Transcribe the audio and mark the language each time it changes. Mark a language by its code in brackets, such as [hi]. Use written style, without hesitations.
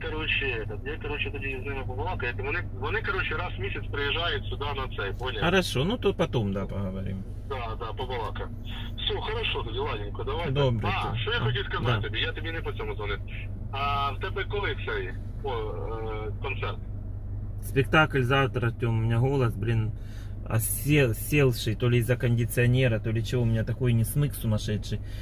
[ru] Я, короче, тогда из ними поговорю. Они, короче, раз в месяц приезжают сюда [uk] на цей, [ru] понял? Хорошо, ну то потом, да, поговорим. Да, побалакаем. Все, хорошо, тогда, ладненько, давай. Добрый. А, что я хотел сказать, да, тебе, я тебе не [uk] по цьому [ru] звонил. [uk] А в тебе коли цей концерт? [ru] Спектакль завтра, Артем, у меня голос, блин, оселший, то ли из-за кондиционера, то ли чего, у меня такой не смык сумасшедший.